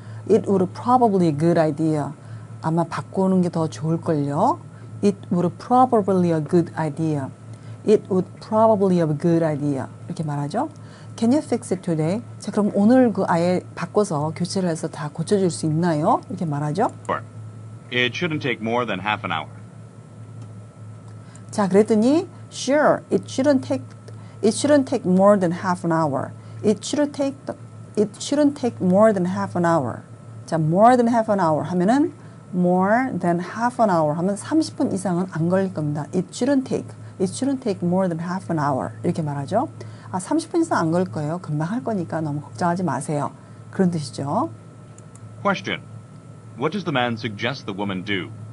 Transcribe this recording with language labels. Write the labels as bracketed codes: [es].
[en] It would probably a good idea. [ko] 아마 바꾸는 게 더 좋을걸요. [en] It would probably a good idea. It would probably a good idea. [ko] 이렇게 말하죠. [en] Can you fix it today? [ko] 자, 그럼 오늘 그 아예 바꿔서 교체를 해서 다 고쳐줄 수 있나요? 이렇게 말하죠. [en] It shouldn't take more than half an hour. [ko] 자, 그랬더니 [en] sure, it shouldn't take more than half an hour. It shouldn't take more than half an hour. [ko] 자, [en] more than half an hour [ko] 하면은 more than half an hour 하면 30분 이상은 안 걸릴 겁니다. [en] It shouldn't take more than half an hour [ko] 이렇게 말하죠. 아, 30분 이상 안 걸 거예요. 금방 할 거니까 너무 걱정하지 마세요. 그런 뜻이죠. [en] Question. What does the man suggest the woman do?